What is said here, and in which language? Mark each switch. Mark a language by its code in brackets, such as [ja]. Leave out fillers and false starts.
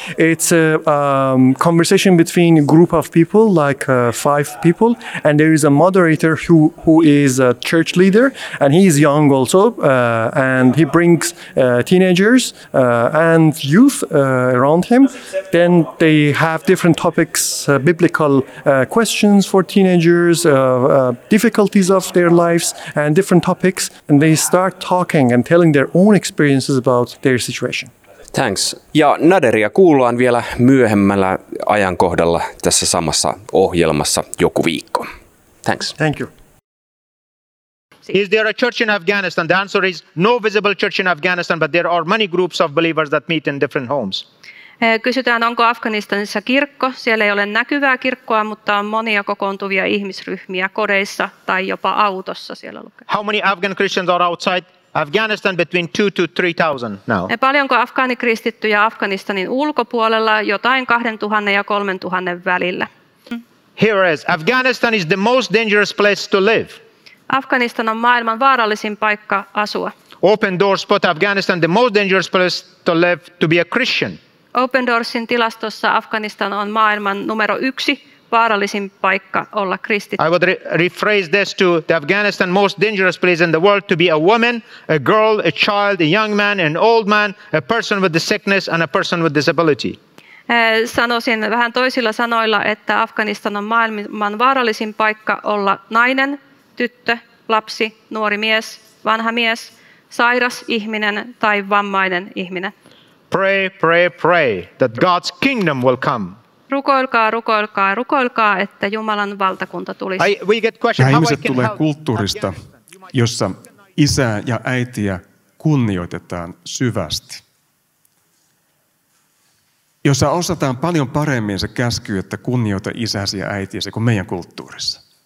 [en] It's a conversation between a group of people, like five people, and there is a moderator who is a church leader, and he is young also, and he brings teenagers and youth around him. Then they have different topics, biblical questions for teenagers, difficulties of their lives, and different topics, and they start talking and telling their own experiences about their situation. Thanks. [fi] Ja Naderia kuullaan vielä myöhemmällä ajankohdalla tässä samassa ohjelmassa joku viikko. [en] Thanks. Thank you. Is there a church in Afghanistan? The answer is no visible church in Afghanistan, but there are many groups of believers that meet in different homes. [fi] Kysytään, onko Afganistanissa kirkko. Siellä ei ole näkyvää kirkkoa, mutta on monia kokoontuvia ihmisryhmiä kodeissa tai jopa autossa siellä lukee. [en] How many Afghan Christians are outside? Afghanistan between 2,000 to 3,000 now. [fi] Paljonko afgaanikristittyjä Afganistanin ulkopuolella, jotain 2,000 ja 3,000 välillä. [en] Here is Afghanistan is the most dangerous place to live. [fi] Afganistan on maailman vaarallisin paikka asua. [en] Open Doors put Afghanistan the most dangerous place to live to be a Christian. [fi] Open Doorsin tilastossa Afganistan on maailman numero yksi vaarallisin paikka olla kristitty. [en] I would rephrase this to the Afghanistan most dangerous place in the world to be a woman, a girl, a child, a young man, an old man, a person with a sickness and a person with disability. [fi] Sanoisin vähän toisilla sanoilla, että Afganistan on maailman vaarallisin paikka olla nainen, tyttö, lapsi, nuori mies, vanha mies, sairas ihminen tai vammainen ihminen. [en] Pray, pray, pray that God's kingdom will come. [fi] Rukoilkaa, rukoilkaa, rukoilkaa, että Jumalan valtakunta tulisi. Ihmiset tulee kulttuurista, jossa isää ja äitiä kunnioitetaan syvästi. Jossa osataan paljon paremmin se käsky, että kunnioita isäsi ja äitiäsi kuin meidän kulttuurissa.